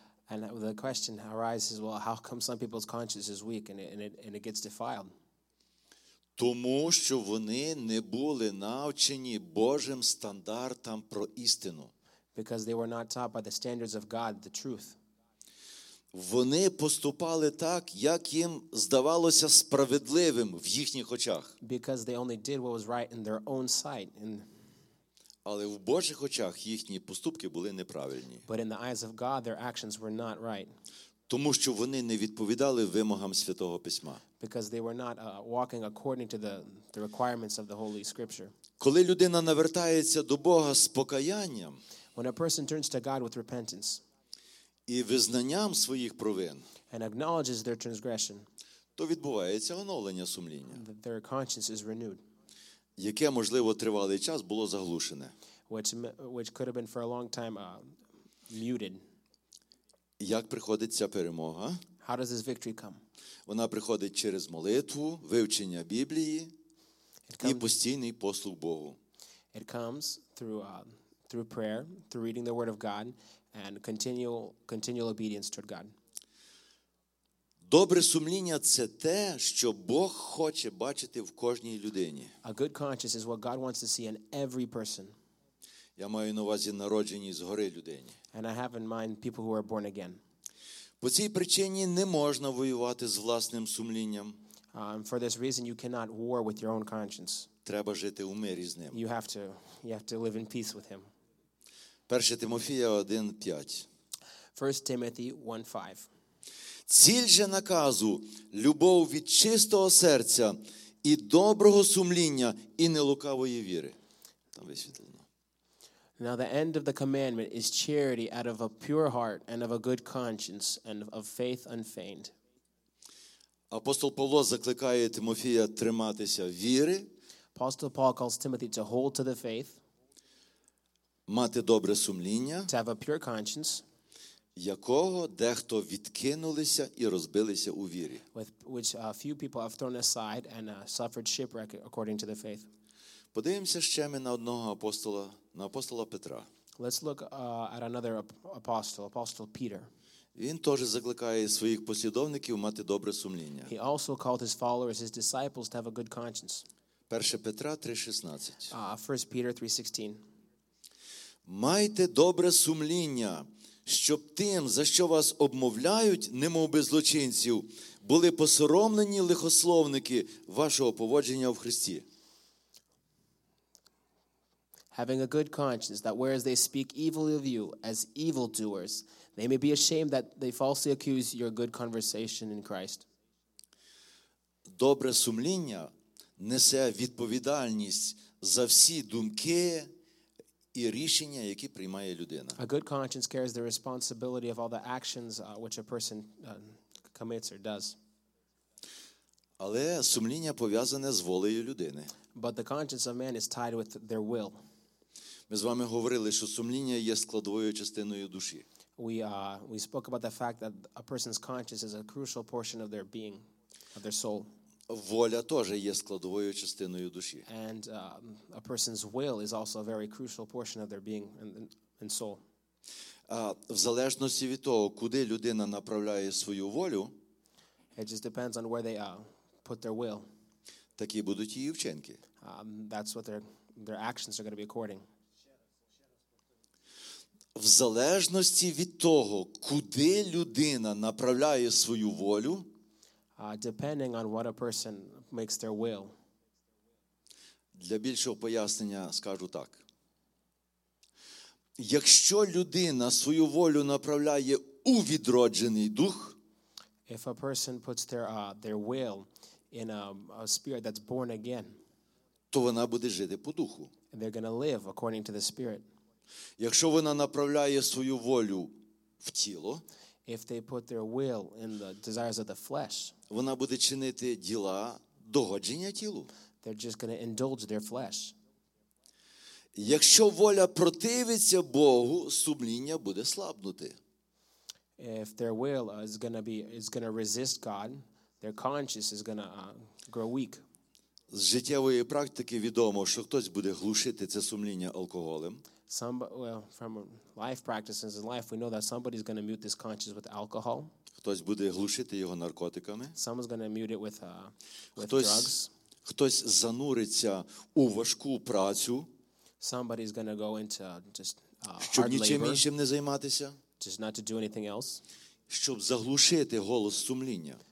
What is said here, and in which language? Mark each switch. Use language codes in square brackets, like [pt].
[en] And the question arises, well, how come some people's conscience is weak and it gets defiled? [uk] Тому що вони не були навчені Божим стандартам про істину. [en] Because they were not taught by the standards of God, the truth. [uk] Вони поступали так, як їм здавалося справедливим в їхніх очах. [en] Because they only did what was right in their own sight. [uk] Але в Божих очах їхні поступки були неправильні. [en] But in the eyes of God, their actions were not right. [uk] Тому що вони не відповідали вимогам Святого Письма. [en] Because they were not walking according to the requirements of the Holy Scripture. [uk] Коли людина навертається до Бога з покаянням, [en] when a person turns to God with repentance, [uk] і визнанням своїх провин, [en] and acknowledges their transgression, [uk] то відбувається оновлення сумління, [en] their conscience is renewed, [uk] яке, можливо, тривалий час було заглушене, [en] which could have been for a long time muted. [uk] Як приходить ця перемога? [en] How does this victory come? [uk] Вона приходить через молитву, вивчення Біблії і постійний послух Богу. [en] It comes through prayer, through reading the word of God, and continual obedience toward God. [uk] Добре сумління – це те, що Бог хоче бачити в кожній людині. [en] A good conscience is what God wants to see in every person. [uk] Я маю на увазі народжені згори людині. [en] And I have in mind people who are born again. [uk] По цій причині не можна воювати з власним сумлінням. [en] For this reason you cannot war with your own conscience. [uk] Треба жити у мирі з ним. [en] You have to live in peace with him. [uk] 1 Тимофія 1:5. [en] 1 Timothy 1:5. [uk] Ціль же наказу – любов від чистого серця і доброго сумління і нелукавої віри. Там висвітлено. [en] Now the end of the commandment is charity out of a pure heart and of a good conscience and of faith unfeigned. [uk] Апостол Павло закликає Тимофія триматися віри. [en] Apostle Paul calls Timothy to hold to the faith. [uk] Мати добре сумління. [en] To have a pure conscience. [uk] Якого дехто відкинулися і розбилися у вірі. [en] Which a few people have thrown aside and suffered shipwreck according to the faith. [uk] Подивимося ще ми на одного апостола, на апостола Петра. [en] Let's look at another apostle, Apostle Peter. [uk] Він теж закликає своїх послідовників мати добре сумління. [en] He also called his followers, his disciples, to have a good conscience. [uk] 1 Петра 3:16. [en] 1 Peter 3:16. [uk] Майте добре сумління, щоб тим, за що вас обмовляють, немовби злочинців, були посоромлені лихословники вашого поводження в Христі. [en] Having a good conscience, that whereas they speak evilly of you as evildoers, they may be ashamed that they falsely accuse your good conversation in Christ. [uk] Добре сумління несе відповідальність за всі думки і рішення, які приймає людина. [en] A good conscience carries the responsibility of all the actions which a person commits or does. [uk] Але сумління пов'язане з волею людини. [en] But the conscience of man is tied with their will. [uk] Ми з вами говорили, що сумління є складовою частиною душі. [en] We spoke about the fact that a person's conscience is a crucial portion of their being, of their soul. [uk] Воля теж є складовою частиною душі. [en] And a person's will is also a very crucial portion of their being and soul. [uk] В залежності від того, куди людина направляє свою волю, [en] it just depends on where they put their will. [uk] Такі будуть її вчинки. [en] That's what their actions are going to be according. [uk] В залежності від того, куди людина направляє свою волю, [en] Depending on what a person makes their will. [uk] Для більшого пояснення скажу так. Якщо людина свою волю направляє у відроджений дух, [en] if a person puts their will in a spirit that's born again, [uk] то вона буде жити по духу. [en] They're going to live according to the spirit. [uk] Якщо вона направляє свою волю в тіло, [en] if they put their will in the desires of the flesh, [uk] вона буде чинити діла догодження тілу. [en] They're just going to indulge their flesh. [uk] Якщо воля противиться Богу, сумління буде слабнути. [en] If their will is going to be is going to resist God, their conscience is going to grow weak. [uk] З життєвої практики відомо, що хтось буде глушити це сумління алкоголем. [en] From life practices in life, we know that somebody's going to mute this conscience with alcohol. [uk] Хтось буде глушити його наркотиками. [en] Someone's going to mute it with drugs. [uk] Хтось зануриться у важку працю. [en] Somebody's going to go into just hard labor. [uk] Щоб нічим іншим не займатися. [en] Just not to do anything else. [uk] Щоб заглушити голос сумління.